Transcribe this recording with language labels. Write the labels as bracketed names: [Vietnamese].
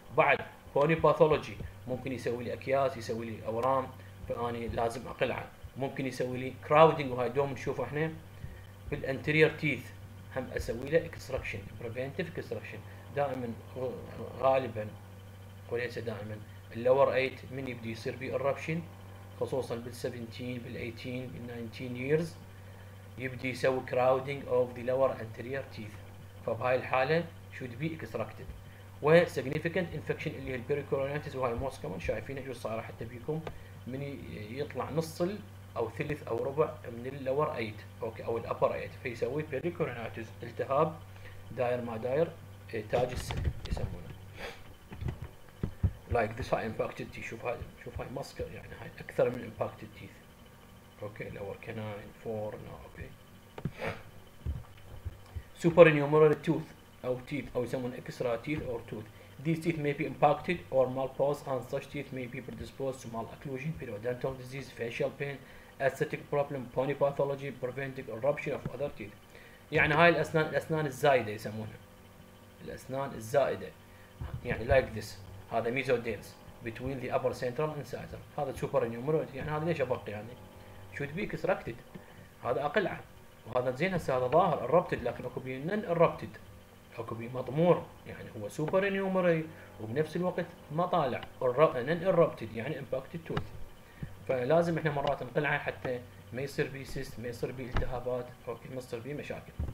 [Arabic] بعد بوني باثولوجي ممكن يسوي لي اكياس، يسوي لي اورام، فاني لازم اقلع. ممكن يسوي لي كراودنج، وهاي دوم نشوفه احنا بالانتيرير تيث، هم اسوي له اكستراكشن، بريفنتيف اكستراكشن. دائما غالبا وليس دائما اللور ايت من يبدي يصير بي اربشن خصوصا بال 17 بال 18 بال 19 years يبدي يسوي [English] crowding of the lower anterior teeth. [Arabic] فبهاي الحالة [English] should be extracted. [Arabic] و [English] significant infection [Arabic] اللي هي البيريكورونيتس وهاي [English] most common [Arabic] شايفينه شو صار حتى بيكم من يطلع نص او ثلث او ربع من اللور ايت اوكي او الابر ايت فيسوي بيريكورونيتس التهاب داير ما داير تاج السن يسمونه [English] like this high impacted teeth. [Arabic] شوف هاي ماسكر يعني هاي اكثر من [English] impacted teeth [Arabic] اوكي [English] lower canine 4 no [Arabic] اوكي [English] super enumerary tooth [Arabic] او teeth او يسمون [English] extra teeth or tooth. These teeth may be impacted or malposed and such teeth may be predisposed to malocclusion, periodontal disease, facial pain, aesthetic problem, bony pathology, preventing eruption of other teeth. [Arabic] يعني هاي الاسنان الاسنان الزائدة يسمونها الاسنان الزائدة يعني [English] like this [Arabic] هذا mesodens [English] between the upper central incisor [Arabic] هذا super enumerate يعني هذا ليش ابقي يعني [English] should be extracted [Arabic] هذا اقلع وهذا زين هسه هذا ظاهر erupted لكن اكو بين [English] non erupted [Arabic] اكو بين مضمور يعني هو super enumerate وبنفس الوقت ما طالع non erupted يعني [English] impacted tooth [Arabic] فلازم احنا مرات نقلعه حتى ما يصير بي سيست ما يصير بي التهابات اوكي ما يصير بي مشاكل